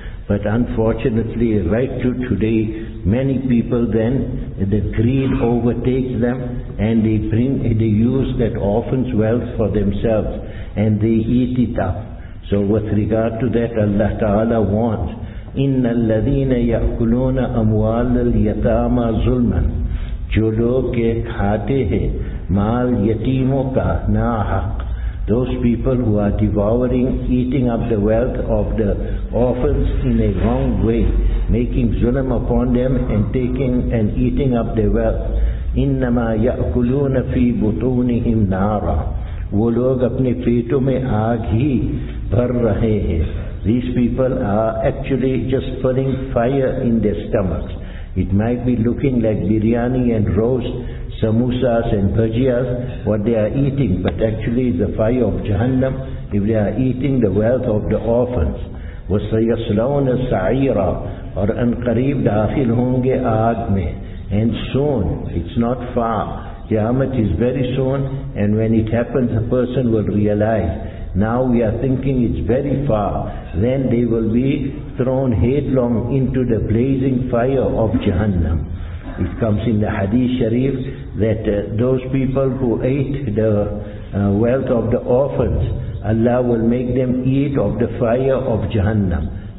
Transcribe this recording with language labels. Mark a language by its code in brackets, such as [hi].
[en] But unfortunately, right to today, many people then, the greed overtakes them, and they use that orphan's wealth for themselves, and they eat it up. So with regard to that, Allah Ta'ala warns, [ar] إِنَّ الَّذِينَ يَأْكُلُونَ أَمْوَالَ الْيَتَامَ ظُلْمًا. [ur] جو لوگ کے کھاتے ہیں مال یتیموں کا نا حق. [en] Those people who are devouring, eating up the wealth of the orphans in a wrong way, making zulm upon them and taking and eating up their wealth. [ar] إِنَّمَا يَأْكُلُونَ فِي بُطُونِهِمْ نَارًا. [ur] وہ لوگ اپنے پیٹوں میں آگ ہی بھر رہے ہیں. [en] These people are actually just putting fire in their stomachs. It might be looking like biryani and roast, samosas and bhajiyas, what they are eating, but actually the fire of Jahannam if they are eating the wealth of the orphans. [ar] وَسَيَصْلَوْنَ سَعِيرًا. [ur] اور انقریب داخل ہوں گے آگ میں. [en] And soon, it's not far. Qiyamah is very soon, and when it happens, a person will realize. Now we are thinking it's very far. Then they will be thrown headlong into the blazing fire of Jahannam. It comes in the Hadith Sharif that those people who ate the wealth of the orphans, Allah will make them eat of the fire of Jahannam.